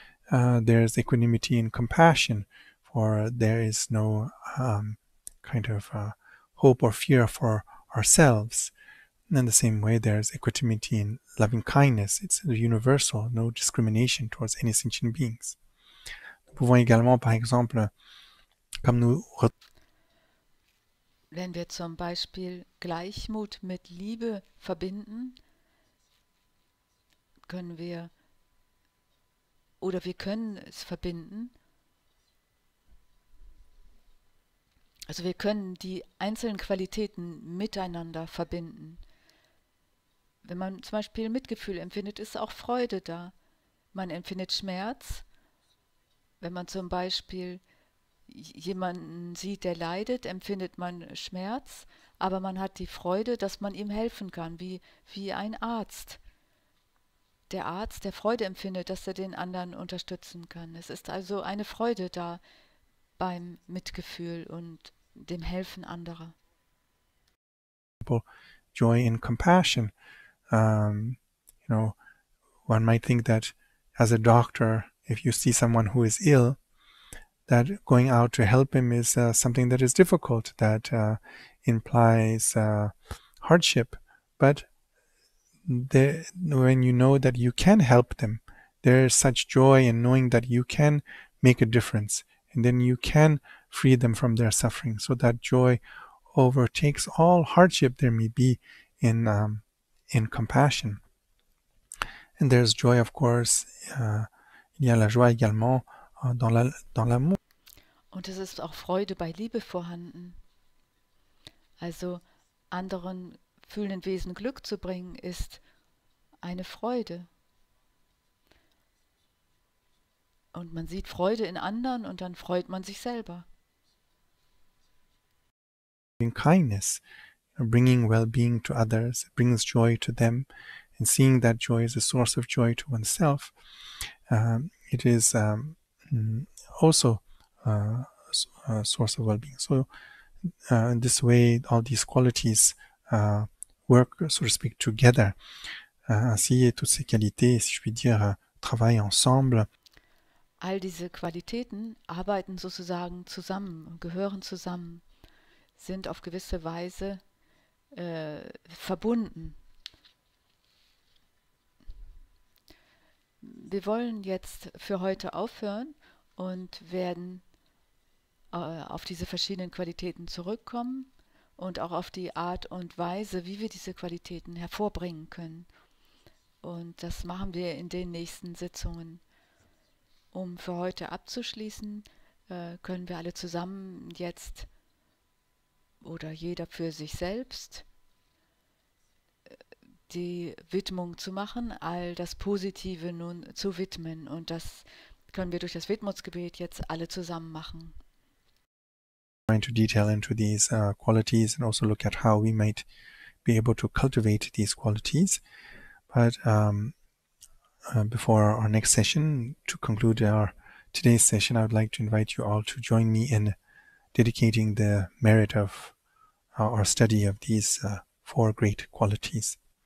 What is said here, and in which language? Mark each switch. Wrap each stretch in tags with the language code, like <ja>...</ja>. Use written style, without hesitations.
<en>There's equanimity and compassion, for there is no kind of hope or fear for ourselves. And in the same way, there's equanimity and loving kindness. It's universal, no discrimination towards any sentient beings.</en> <fr>Nous pouvons également, par exemple, comme nous.</fr> <de>Wenn wir zum Beispiel Gleichmut mit Liebe verbinden, können wir, oder wir können es verbinden. Also wir können die einzelnen Qualitäten miteinander verbinden. Wenn man zum Beispiel Mitgefühl empfindet, ist auch Freude da. Man empfindet Schmerz, wenn man zum Beispiel jemanden sieht, der leidet, empfindet man Schmerz, aber man hat die Freude, dass man ihm helfen kann, wie ein Arzt. Der Arzt, der Freude empfindet, dass er den anderen unterstützen kann. Es ist also eine Freude da beim Mitgefühl und dem Helfen anderer.</de> <en>Joy and compassion. You know, one might think that as a doctor, if you see someone who is ill, that going out to help him is something that is difficult, that implies hardship. But when you know that you can help them, there is such joy in knowing that you can make a difference, and then you can free them from their suffering. So that joy overtakes all hardship there may be in compassion. And there's joy, of course,</en> <fr>il y a la joie également dans l'amour.</fr> <de>Und es ist auch Freude bei Liebe vorhanden. Also anderen fühlenden Wesen Glück zu bringen, ist eine Freude. Und man sieht Freude in anderen und dann freut man sich selber.</de> <en>Kindness, bringing well-being to others, brings joy to them, and seeing that joy is a source of joy to oneself, it is also a source of well-being. So, in this way, all these qualities work, so to speak, together.</en> <fr>ainsi toutes ces qualités, si je puis dire, travaillent ensemble.</fr> <de>All diese Qualitäten arbeiten sozusagen zusammen, gehören zusammen, sind auf gewisse Weise verbunden. Wir wollen jetzt für heute aufhören und werden auf diese verschiedenen Qualitäten zurückkommen und auch auf die Art und Weise, wie wir diese Qualitäten hervorbringen können. Und das machen wir in den nächsten Sitzungen. Um für heute abzuschließen, können wir alle zusammen jetzt oder jeder für sich selbst die Widmung zu machen, all das Positive nun zu widmen. Und das können wir durch das Widmungsgebet jetzt alle zusammen machen.</de> <en>To detail into these qualities and also look at how we might be able to cultivate these qualities. But before our next session, to conclude our today's session, I would like to invite you all to join me in dedicating the merit of our study of these four great qualities.</en>